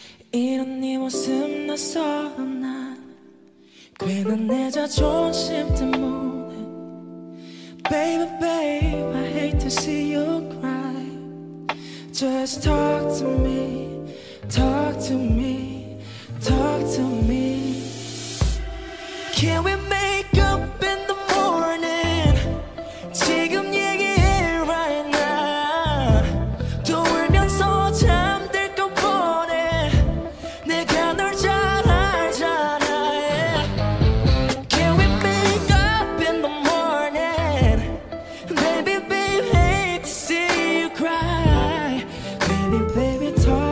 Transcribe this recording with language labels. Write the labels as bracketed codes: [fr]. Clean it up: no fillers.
[ko] 이런 네 모습 낯설어 난 괜한 내 자존심 때문에 [en] Baby babe I hate to see you cry Just talk to me Talk to me Talk to me Can we make up in the morning? [ko] 지금 얘기해 [en] right now [ko] 또 울면서 잠들 것 뻔해 내가 널 잘 알잖아 yeah. [en] Can we make up in the morning? Baby, baby, hate to see you cry Baby, baby, talk